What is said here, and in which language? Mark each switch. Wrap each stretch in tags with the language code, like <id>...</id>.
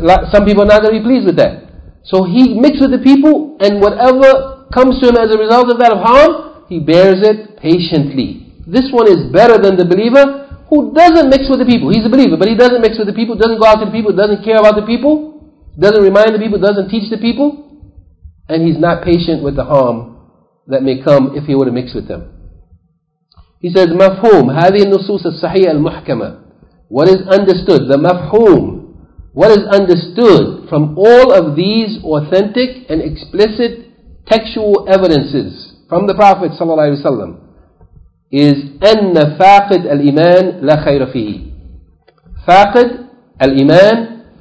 <en>Some people are not going to be pleased with that. So he mixes with the people, and whatever comes to him as a result of that of harm, he bears it patiently. This one is better than the believer who doesn't mix with the people. He's a believer, but he doesn't mix with the people, doesn't go out to the people, doesn't care about the people, doesn't remind the people, doesn't teach the people, and he's not patient with the harm that may come if he were to mix with them.</en> <ar>He says, مَفْهُوم هَذِهِ النُّصُوصَ الصَّحِيَّةَ الْمُحْكَمَةَ.</ar> <en>What is understood, the مَفْهُوم, what is understood from all of these authentic and explicit textual evidences from the Prophet ﷺ is</en> <ar>أَنَّ فَاقِدْ الْإِيمَانِ لَا خَيْرَ فِيهِ. فَاقِدْ الْإِيمَانِ,</ar>